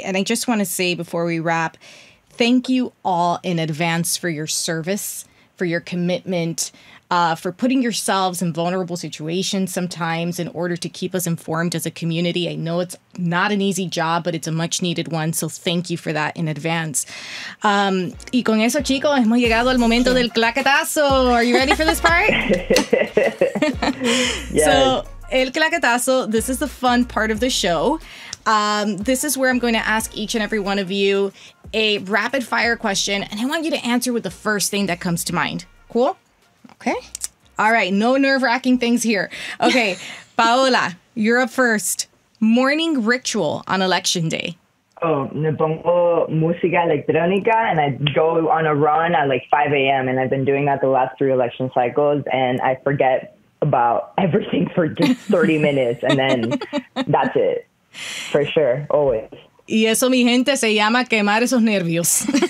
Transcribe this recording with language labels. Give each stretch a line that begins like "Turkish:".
English: And I just want to say before we wrap, thank you all in advance for your service, for your commitment, for putting yourselves in vulnerable situations sometimes in order to keep us informed as a community. I know it's not an easy job, but it's a much needed one. So thank you for that in advance.
Spanish: Y con eso, chicos, hemos llegado al momento del claquetazo.
English: Are you ready for this part? Yes. So, el claquetazo, this is the fun part of the show. This is where I'm going to ask each and every one of you a rapid fire question, and I want you to answer with the first thing that comes to mind. Cool? Okay. All right. No nerve-wracking things here. Okay. Paola, you're up first. Morning ritual on election day. Oh,
Spanish: me pongo música electrónica
English: and I go on a run at like 5 a.m. And I've been doing that the last three election cycles. And I forget about everything for just 30 minutes. And then that's it. For sure. Always.
Spanish: Y eso, mi gente, se llama quemar esos nervios.